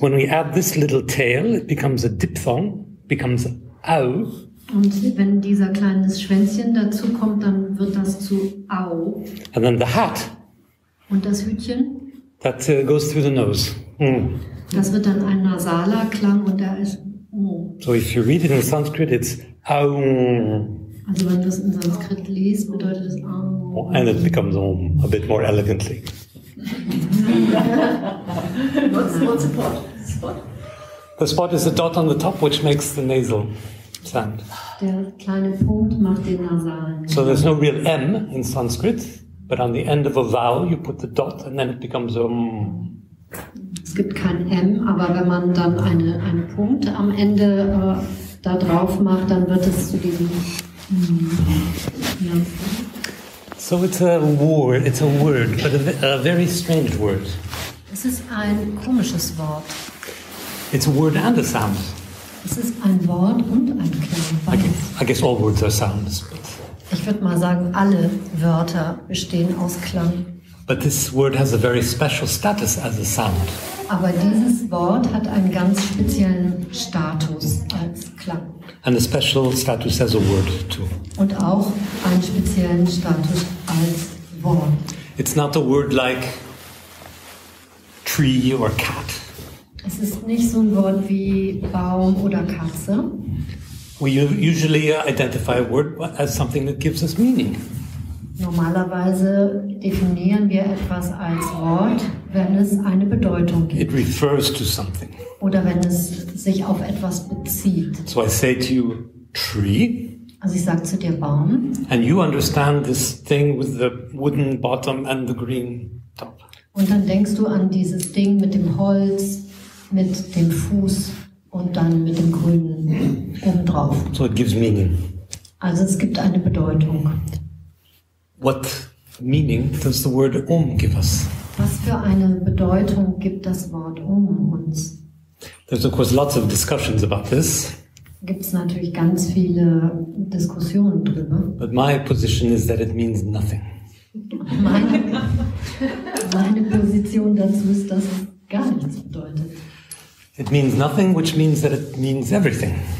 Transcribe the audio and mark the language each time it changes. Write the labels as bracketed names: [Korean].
[English] When we add this little tail, it becomes a diphthong, becomes Au. [German] Und wenn dieser kleine Schwänzchen dazu kommt, dann wird das zu Au. [English] And then the hat. [German] Und das Hütchen. [English] That goes through the nose. Mm. [German] Das wird dann ein nasaler Klang und da ist O. [English] So if you read it in Sanskrit, it's Au. [German] Also wenn du es in Sanskrit liest, bedeutet es Au. [English] And it becomes Om a bit more elegantly. What's the pot? The spot is the dot on the top, which makes the nasal sound. [German] Der kleine Punkt macht den nasalen. [English] So there's no real M in Sanskrit, but on the end of a vowel you put the dot and then it becomes a M. [German] Es gibt kein M, aber wenn man dann einen Punkt am Ende da drauf macht, dann wird es zu diesem M. [English] So it's a word, but a very strange word. [German] Es ist ein komisches Wort. [English] It's a word and a sound. [German] Es ist ein Wort und ein Klang. [English] I guess all words are sounds. [German] Ich würde mal sagen, alle Wörter bestehen aus Klang. [English] But this word has a very special status as a sound. [German] Aber dieses Wort hat einen ganz speziellen Status als Klang. [English] And a special status as a word too. [German] Und auch einen speziellen Status als Wort. [English] It's not a word like tree or cat. [German] Es ist nicht so ein Wort wie Baum oder Katze. [English] We usually identify a word as something that gives us meaning. [German] Normalerweise definieren wir etwas als Wort, wenn es eine Bedeutung gibt. [English] It refers to something. [German] Oder wenn es sich auf etwas bezieht. [English] So I say to you, tree. [German] Also ich sage zu dir, Baum. [English] And you understand this thing with the wooden bottom and the green top. [German] Und dann denkst du an dieses Ding mit dem Holz, mit dem Fuß und dann mit dem grünen oben drauf. [English] So it gives meaning. [German] Also es gibt eine Bedeutung. [English] What meaning does the word om give us? [German] Was für eine Bedeutung gibt das Wort om uns? [English] There's of course lots of discussions about this. [German] Gibt's natürlich ganz viele Diskussionen drüber. [English] But my position is that it means nothing. [German] Meine Position dazu ist, dass es gar nichts bedeutet. [English] It means nothing, which means that it means everything.